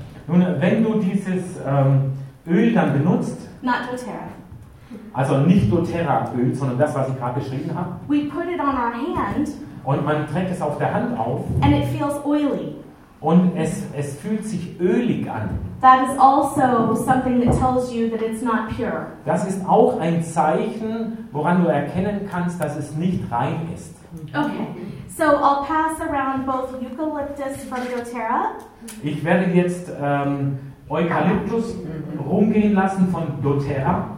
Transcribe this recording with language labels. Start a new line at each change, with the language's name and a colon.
German: nun, wenn du dieses Öl dann benutzt,
English: not doTERRA.
German: Also nicht doTERRA Öl, sondern das, was ich gerade beschrieben habe.
English: We put it on our hand.
German: Und man trägt es auf der Hand auf.
English: And it feels oily.
German: Und es fühlt sich ölig an.
English: That is also something that tells you that it's not pure.
German: Das ist auch ein Zeichen, woran du erkennen kannst, dass es nicht rein ist.
English: Okay, so I'll pass around both eucalyptus from doTERRA.
German: Ich werde jetzt Eukalyptus rumgehen lassen von doTERRA.